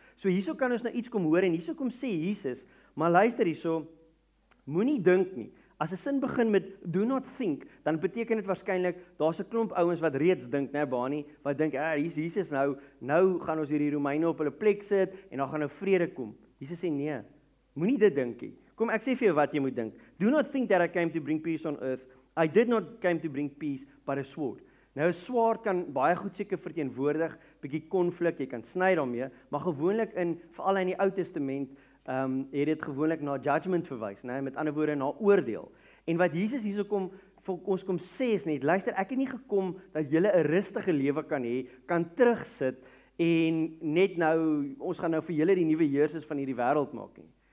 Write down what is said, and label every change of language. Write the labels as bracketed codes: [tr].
[af] So hierso kan ons nou iets kom hoor, en hierso kom sê Jesus, maar luister hierso, moenie dink nie, as 'n sin begin met [en] do not think, [af] dan beteken dit waarskynlik daar's 'n klomp ouens wat reeds dink, né, Bani, wat dink, hier's Jesus nou gaan ons hierdie Romeine op hulle plek sit en dan gaan nou vrede kom. Jesus sê nee, moenie dit dink nie. Kom, ek sê vir jou wat jy moet dink. [en] Do not think that I came to bring peace on earth. I did not came to bring peace, but a sword. [af] Nou, 'n swaard kan baie goed seker verteenwoordig, bietjie konflik, jy kan sny daarmee, maar gewoonlik in, veral in die Ou Testament, het dit gewoonlik na judgment verwys, né, met ander woorde na oordeel. En wat Jesus hierso kom vir ons kom sê is net, luister, ek het nie gekom dat jy 'n rustige lewe kan hê, kan terugsit en net nou ons gaan nou vir julle die nuwe heersers van hierdie wêreld maak nie.